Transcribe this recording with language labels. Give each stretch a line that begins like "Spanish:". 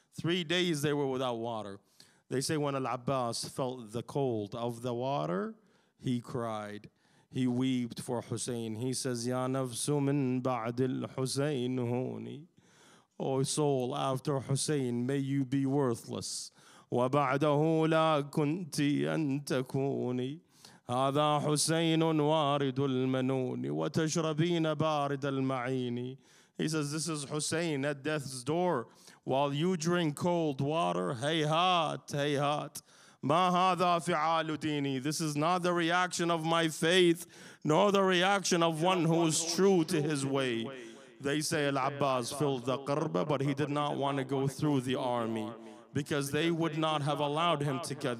English: 3 days they were without water. They say when Al-Abbas felt the cold of the water, he cried. He wept for Hussein. He says,
Arabic: Ya nafsu min ba'd al-Hussein huni.
English: O soul, after Hussein, may you be worthless.
Arabic: Wa ba'dahu la kunti antakuni. هذا حسين وارد المنون وتشربين بارد المعين.
English: He says, this is Hussein at death's door. While you drink cold water,
Arabic: hayhat, hayhat. ما هذا فعال ديني.
English: This is not the reaction of my faith, nor the reaction of one who is true to his way. They say Al-Abbas filled the qurba, but he did not want to go through the army because they would not have allowed him to get.